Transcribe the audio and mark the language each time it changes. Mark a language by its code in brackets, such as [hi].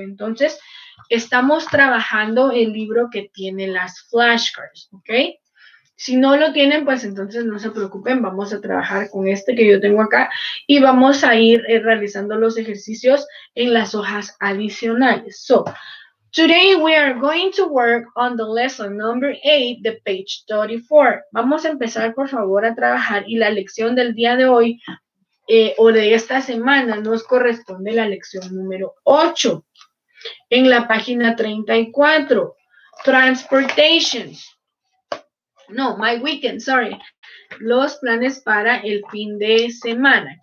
[es] Entonces, estamos trabajando el libro que tiene las flashcards, ¿ok? Si no lo tienen, pues entonces no se preocupen, vamos a trabajar con este que yo tengo acá y vamos a ir realizando los ejercicios en las hojas adicionales. [en] So, today we are going to work on the lesson number 8, the page 34. [es] Vamos a empezar, por favor, a trabajar y la lección del día de hoy o de esta semana nos corresponde la lección número 8. En la página 34, transportations. [en] No, my weekend, sorry. [es] Los planes para el fin de semana.